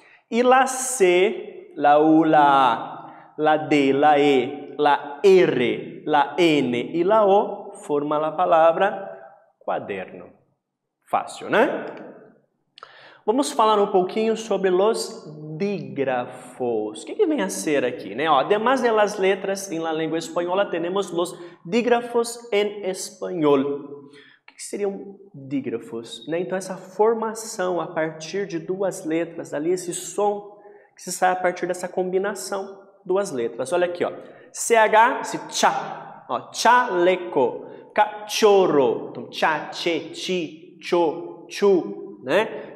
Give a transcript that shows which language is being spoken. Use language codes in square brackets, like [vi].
[pt] E lá C, lá U, lá A, lá D, lá E, lá R, lá N e lá O forma a palavra quaderno. Fácil, né? Vamos falar um pouquinho sobre os dígrafos. O que, que vem a ser aqui, né? [es] Ó, además de las letras en la lengua española, tenemos los dígrafos en español. [pt] O que, que seriam dígrafos? Né? Então, essa formação a partir de duas letras, ali esse som que se sai a partir dessa combinação, duas letras. Olha aqui, ó. CH, esse tchá. Ó, chaleco. Cachorro. Então, tchá, tchê, tchi, tchô, tchu, né?